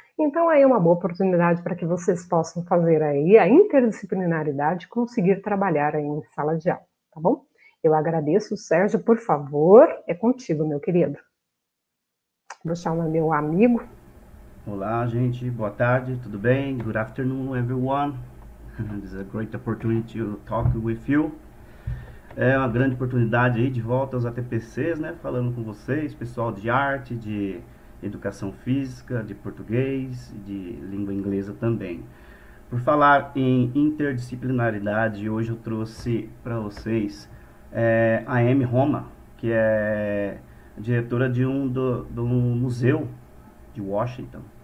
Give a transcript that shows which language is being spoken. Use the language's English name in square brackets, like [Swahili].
[Portuguese] Então aí é uma boa oportunidade para que vocês possam fazer aí a interdisciplinaridade e conseguir trabalhar aí em sala de aula, tá bom? Eu agradeço, Sérgio, por favor, é contigo, meu querido. Vou chamar meu amigo. Olá, gente, boa tarde, tudo bem? [English] Good afternoon, everyone. It's a great opportunity to talk with you. [Portuguese] É uma grande oportunidade aí de volta aos ATPCs, né? Falando com vocês, pessoal de arte, de educação física, de português, de língua inglesa também. Por falar em interdisciplinaridade, hoje eu trouxe para vocês a Amy Roma, que é diretora de um museu de Washington.